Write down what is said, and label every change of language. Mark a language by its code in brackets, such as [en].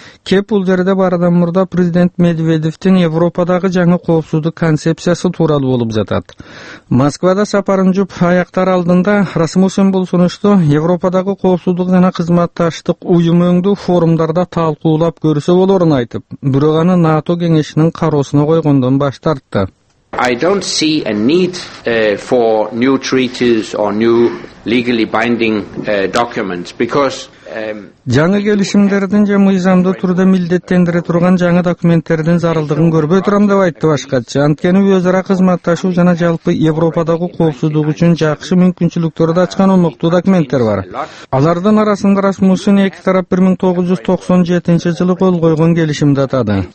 [ky] Кеп бул жерде баардан мурда президент Медведевтин Европадагы жаңы коопсуздук концепциясы тууралуу болуп жатат. Москвада сапарын жүп аяктар алдында Расмуссен бул сунушту Европадагы коопсуздук жана кызматташтык уюму өңдүү форумдарда талкуулап көрсө болорун айтып, бирок аны НАТО кеңешинин кароосуна койгондон баш тартты. [en] I don't see a need for new treaties or new legally binding documents because [ky] жаңы келишимдердин же мыйзамдуу түрдө милдеттендире турган жаңы документтердин зарылдыгын көрбөй турам деп айтты башкачы. Анткени өз ара кызматташуу жана жалпы Европадагы коопсуздук үчүн жакшы мүмкүнчүлүктөрдү ачкан олмуктуу документтер бар. Алардын арасында Расмуссен эки тарап 1997-жылы кол койгон келишимди атады.